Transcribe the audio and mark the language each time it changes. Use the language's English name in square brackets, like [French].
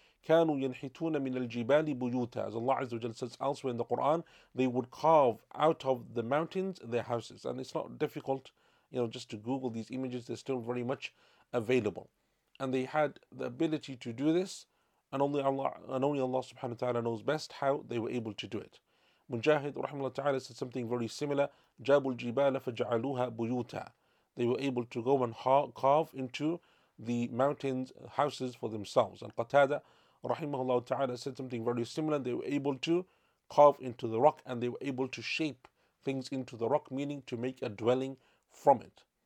[Arabic] كانوا ينحتون من الجبال بيوتا. [English] As Allah Azza wa Jalla says elsewhere in the Quran, they would carve out of the mountains their houses. And it's not difficult, you know, just to Google these images. They're still very much available. And they had the ability to do this. And only Allah subhanahu wa ta'ala knows best how they were able to do it. Mujahid rahimahullah ta'ala said something very similar. [Arabic] جابوا الجبال فجعلوها بيوتا. [English] They were able to go and carve into the mountains houses for themselves. And Qatada rahimahullah ta'ala said something very similar. They were able to carve into the rock, and they were able to shape things into the rock, meaning to make a dwelling from it.